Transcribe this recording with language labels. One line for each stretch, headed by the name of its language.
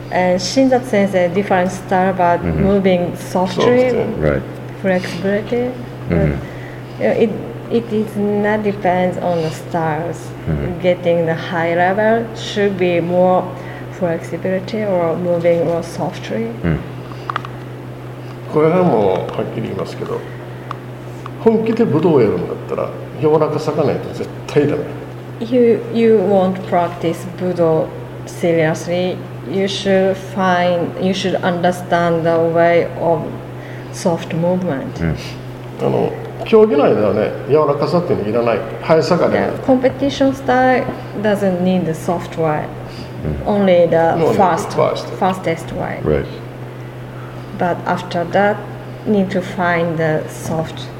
English: And Shinzatsu sensei, different style, but mm-hmm. moving softly, right. flexibility. Mm-hmm. It is not depends on the stars. Mm-hmm. Getting the high level should be more flexibility or moving more softly. Mm.
Japanese: これもはっきり言いますけど、本気で武道をやるんだったら柔らかさがないと絶対ダメ。
English: You won't practice Budo seriously. You should understand the way of soft movement. Mm.
Japanese: 競技内ではね、柔らかさっていうのいらない、速さがね。
English: コンペティションスタイル doesn't need the soft way, only the fastest way. Right. But after that, need to find the soft.